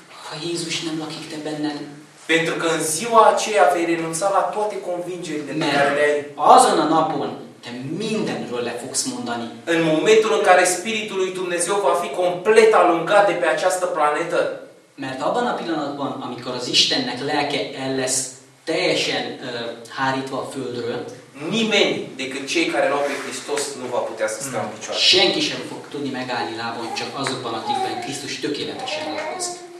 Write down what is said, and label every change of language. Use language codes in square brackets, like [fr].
[hu] Ha Jézus nem lakik te benned. [ro] Pentru că în ziua aceea vei renunța la toate convingerile pe care le ai. [hu] Azon a napon te mindenről le fogsz mondani. [ro] În momentul în care Spiritul lui Dumnezeu va fi complet alungat de pe această planetă. [hu] Mert abban a pillanatban, amikor az Istennek lelke el lesz teljesen hárítva a Földről, [ro] nimeni decât cei care l-au pe Hristos nu va putea să stea în picioare. [hu] Senki sem fog tudni megállni lábon, csak azokban, akikben Krisztus tökéletesen lakozik.